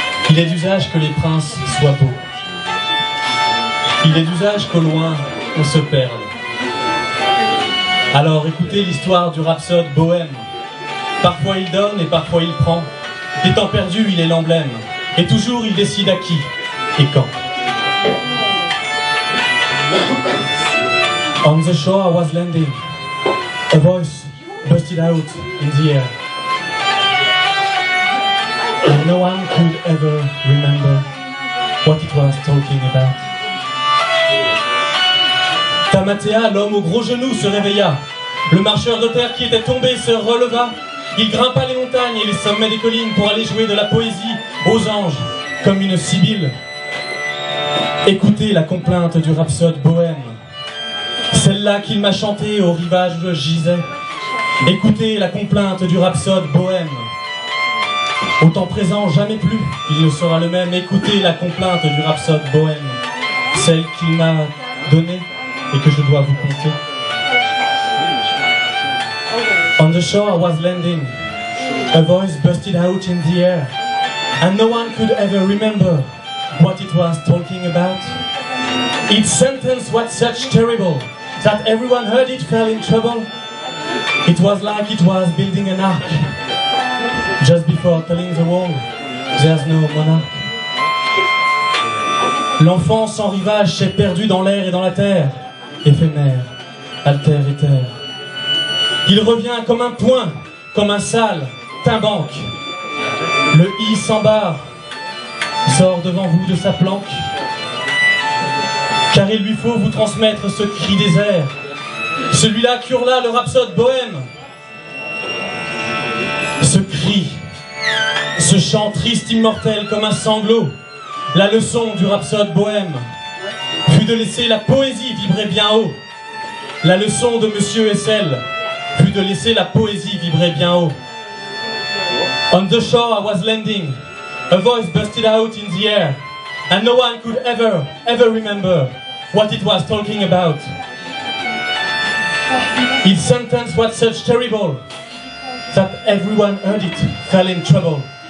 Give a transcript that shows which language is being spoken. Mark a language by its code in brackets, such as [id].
[fr] Il est d'usage que les princes soient beaux. Il est d'usage qu'au loin, on se perde. Alors écoutez l'histoire du rhapsode bohème. Parfois il donne et parfois il prend. Des temps perdus, il est l'emblème. Et toujours il décide à qui et quand. [en] On the shore I was landing, a voice busted out in the air. And no one could ever remember what it was talking about. [fr] Tamatea, l'homme au gros genou, se réveilla. Le marcheur de terre qui était tombé se releva. Il grimpa les montagnes et les sommets des collines pour aller jouer de la poésie aux anges, comme une sibylle. Écoutez la complainte du rhapsode bohème. Celle-là qu'il m'a chantée au rivage où je gisais. Écoutez la complainte du rhapsode bohème. Au temps présent, jamais plus, il ne sera le même. Écoutez la complainte du rhapsode bohème. Celle qu'il m'a donnée et que je dois vous conter. [en] On the shore was landing. A voice busted out in the air. And no one could ever remember what it was talking about. Its sentence was such terrible that everyone heard it fell in trouble. It was like it was building an ark. Just before telling the world, there's no monarch. [fr] L'enfant sans rivage s'est perdu dans l'air et dans la terre. Éphémère, alter éther. Il revient comme un point, comme un sale, timbanque. Le i sans barre sort devant vous de sa planque. Car il lui faut vous transmettre ce cri des airs, celui-là qu'hurla le rhapsode bohème. Ce cri, ce chant triste, immortel comme un sanglot, la leçon du rhapsode bohème fut de laisser la poésie vibrer bien haut. La leçon de Monsieur Essel fut de laisser la poésie vibrer bien haut. [en] On the shore I was landing, a voice busted out in the air, and no one could ever, ever remember what it was talking about. Its sentence was such terrible that everyone heard it fell in trouble.